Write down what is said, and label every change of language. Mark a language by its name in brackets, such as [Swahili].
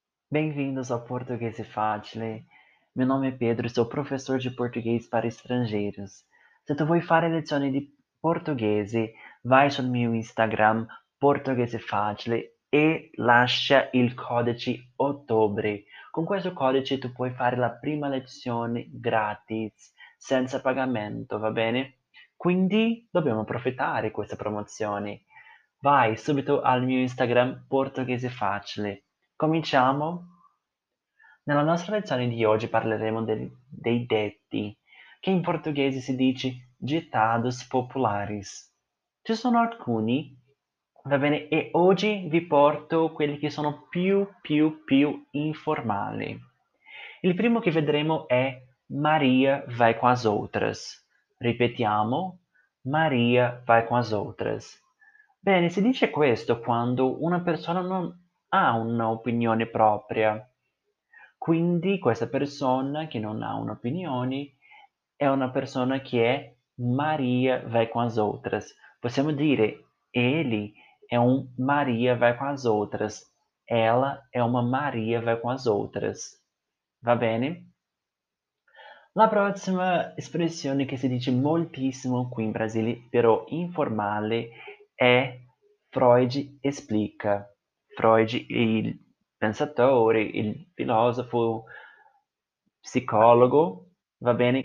[Portuguese] Bem-vindos ao Português e Facile. Meu nome é Pedro, sou professor de português para estrangeiros. [Italian] Se tu vuoi fare lezioni di portoghese, vai sul mio Instagram, Português e Facile, e lascia il codice ottobre. Con questo codice tu puoi fare la prima lezione gratis, senza pagamento, va bene? Quindi dobbiamo approfittare di questa promozione. Vai subito al mio Instagram, Português e Facile. Cominciamo. Nella nostra lezione di oggi parleremo dei detti, che in portoghese si dice ditados populares. Ci sono alcuni, va bene, e oggi vi porto quelli che sono più informali. Il primo che vedremo è [Portuguese] Maria vai com as outras. [Italian] Ripetiamo, [Portuguese] Maria vai com as outras. [Italian] Bene, si dice questo quando una persona non ha un'opinione propria. Quindi questa persona che non ha un'opinione è una persona che è [Portuguese] Maria vai com as outras. [Italian] Possiamo dire ele è un [Portuguese] Maria vai com as outras. [Italian] Ela è una [Portuguese] Maria vai com as outras. [Italian] Va bene? La prossima espressione che si dice moltissimo qui in Brasile, però informale, è [Portuguese] Freud explica. [Italian] Freud, il pensatore, il filosofo, psicologo, va bene?